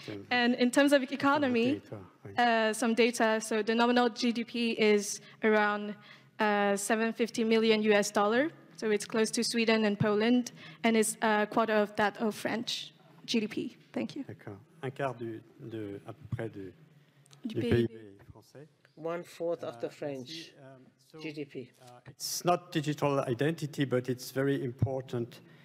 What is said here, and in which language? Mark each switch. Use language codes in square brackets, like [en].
[en] And in terms of economy, some data, so the nominal GDP is around $750 million, so it's close to Sweden and Poland, and it's a quarter of that of French GDP. Thank you. [fr] un quart de à peu près du PIB français. [en] One fourth of the French GDP. It's not digital identity, but it's very important.